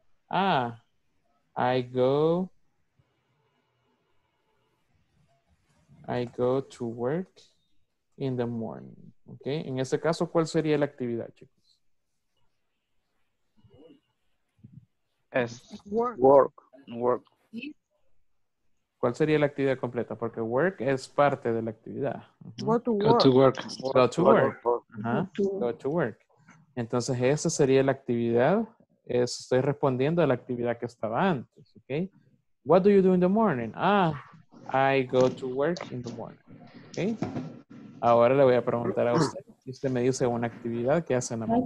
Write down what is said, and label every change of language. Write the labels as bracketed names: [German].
[English] Ah, I go to work in the morning. ¿Ok? [Spanish] En este caso, ¿cuál sería la actividad, chicos? [English] Work. [Spanish] ¿Cuál sería la actividad completa? Porque work es parte de la actividad. [English] Go to work. [Spanish] Entonces, esa sería la actividad. Estoy respondiendo a la actividad que estaba antes. [English] Okay. What do you do in the morning? Ah, I go to work in the morning. Okay. [Spanish] Ahora le voy a preguntar a usted. Y usted me dice una actividad que hace en la mañana.